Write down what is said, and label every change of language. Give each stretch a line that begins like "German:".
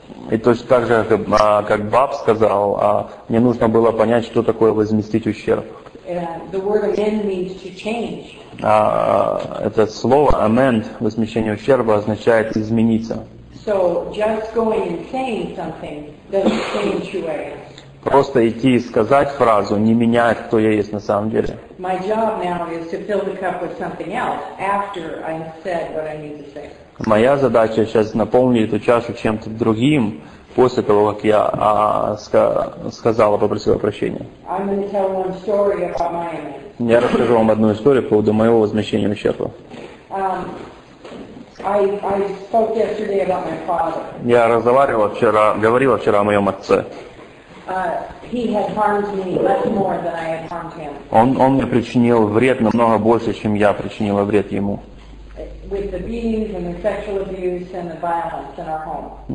Russian: И точно так же, как Боб сказал, мне нужно было понять, что такое возместить ущерб.
English: The word amend means to change.
Russian: Это слово amend, возмещение ущерба, означает измениться.
English: So just going and saying something doesn't change who I am.
Russian: Просто идти и сказать фразу не меняет, кто я есть на самом деле.
English: My job now is to fill the cup with something else after I have said what I need to say.
Russian: Моя задача сейчас наполнить эту чашу чем-то другим после того, как я сказал, попросил прощения.
English: I'm going to tell one story about my amend.
Russian: Я расскажу вам одну историю по поводу моего возмещения ущерба.
English: I spoke yesterday about my father.
Russian: Я говорил вчера о моем отце.
English: He had harmed me much more than I had harmed him.
Russian: Он мне причинил вред намного больше, чем я причинила вред ему.
English: With the beatings and the sexual abuse and the violence in our home.